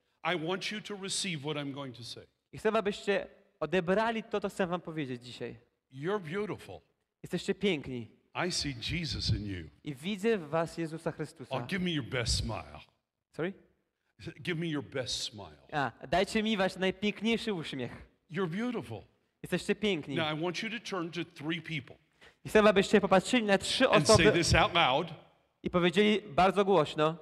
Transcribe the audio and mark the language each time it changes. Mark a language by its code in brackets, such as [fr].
[en] I want you to receive what I'm going to say. [pl] I chcę, abyście odebrali to, co chcę wam powiedzieć dzisiaj. [en] You're beautiful. [pl] Jesteście piękni. [en] I see Jesus in you. [pl] I widzę w was Jezusa Chrystusa. [en] Oh, give me your best smile. Sorry? Give me your best smile. [pl] A, dajcie mi wasz najpiękniejszy uśmiech. [en] You're beautiful. [pl] Jesteście piękni. [en] Now I want you to turn to three people. [pl] I chcę, abyście popatrzyli na trzy osoby. [en] And say this out loud. [pl] I powiedzieli bardzo głośno.